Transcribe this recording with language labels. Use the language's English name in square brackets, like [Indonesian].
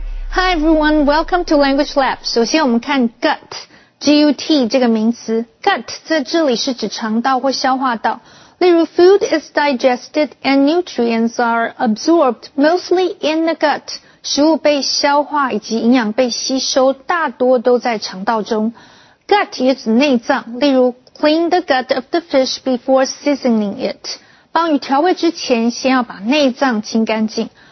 [English] Hi everyone, welcome to Language Lab. [Chinese] 首先我们看 gut, G-U-T 这个名词。 gut 在这里是指肠道或消化道。 [English] 例如 food is digested and nutrients are absorbed mostly in the gut. [Chinese] 食物被消化以及营养被吸收大多都在肠道中。 gut 也指内脏，例如 [English] clean the gut of the fish before seasoning it. [Chinese] 帮鱼调味之前先要把内脏清干净。